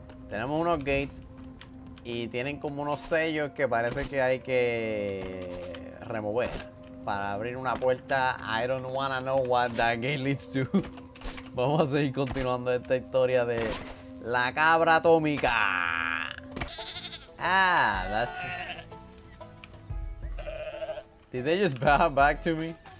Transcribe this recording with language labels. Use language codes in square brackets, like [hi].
[es] Tenemos unos gates y tienen como unos sellos que parece que hay que remover para abrir una puerta. [en] I don't wanna know what that gate leads to. [es] Vamos a seguir continuando esta historia de la cabra atómica. [en] Ah, that's... Did they just bow back to me?